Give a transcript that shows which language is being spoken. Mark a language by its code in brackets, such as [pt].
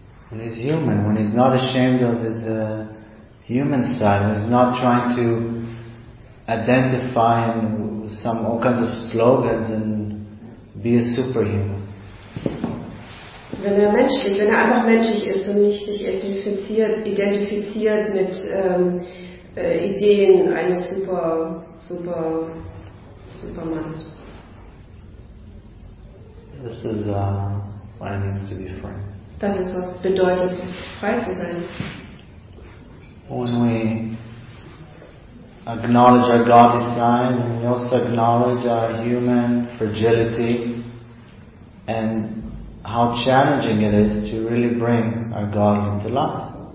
[en] When he's human, when he's not ashamed of his human side, when he's not trying to identify him with some all kinds of slogans and be a superhuman. [de] Wenn er menschlich, wenn er einfach menschlich ist und nicht sich identifiziert mit Ideen eines Supermanns. [en] This is what it means to be free. [de] Das ist, was bedeutet, frei zu sein. [en] When we acknowledge our godly side, and we also acknowledge our human fragility and how challenging it is to really bring our God into life.